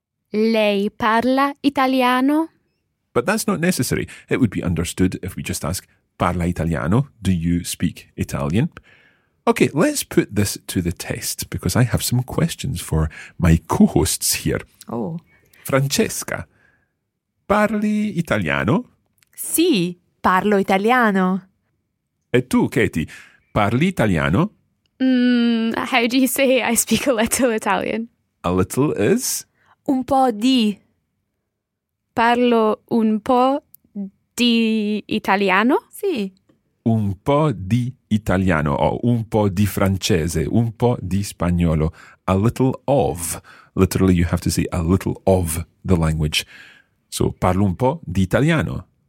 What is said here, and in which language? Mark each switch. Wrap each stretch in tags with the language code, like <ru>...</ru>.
<it>Lei parla italiano?</it> <en>But that's not necessary. It would be understood if we just ask,</en> <it>parla italiano,</it> <en>do you speak Italian? Okay, let's put this to the test because I have some questions for my co-hosts here. Oh.</en> <it>Francesca, parli italiano? Sì, parlo italiano. E tu, Katie, parli italiano?</it> <en>How do you say I speak a little Italian? A little is?</en> <it>Un po' di. Parlo un po' di italiano? Sì. Un po' di italiano, o un po' di francese, un po' di spagnolo.</it> <en>A little of. Literally, you have to say a little of the language. So,</en> <it>parlo un po' di italiano.</it>